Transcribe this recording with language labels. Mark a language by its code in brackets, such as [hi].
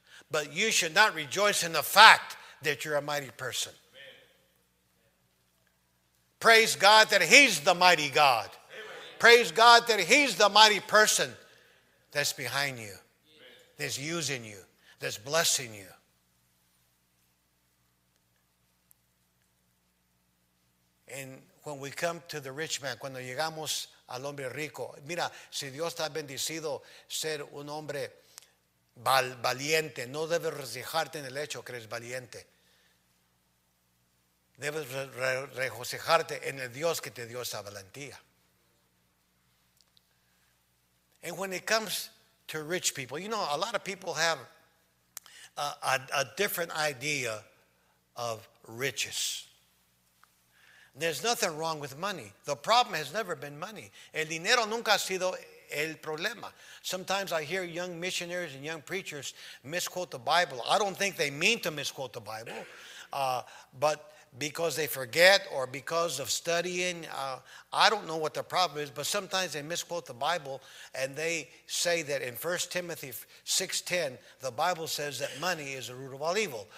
[en] But you should not rejoice in the fact that you're a mighty person. Amen. Praise God that He's the mighty God. Amen. Praise God that He's the mighty person that's behind you, Amen. That's using you, that's blessing you. And when we come to the rich man, [es] cuando llegamos al hombre rico, mira, si Dios te ha bendecido ser un hombre valiente, no debes regocijarte en el hecho que eres valiente. Debes regocijarte en el Dios que te dio esa valentía. [en] And when it comes to rich people, you know, a lot of people have a different idea of riches. There's nothing wrong with money. The problem has never been money. [es] El dinero nunca ha sido el problema. [en] Sometimes I hear young missionaries and young preachers misquote the Bible. I don't think they mean to misquote the Bible, but because they forget or because of studying, I don't know what the problem is, but sometimes they misquote the Bible and they say that in 1 Timothy 6:10, the Bible says that money is the root of all evil.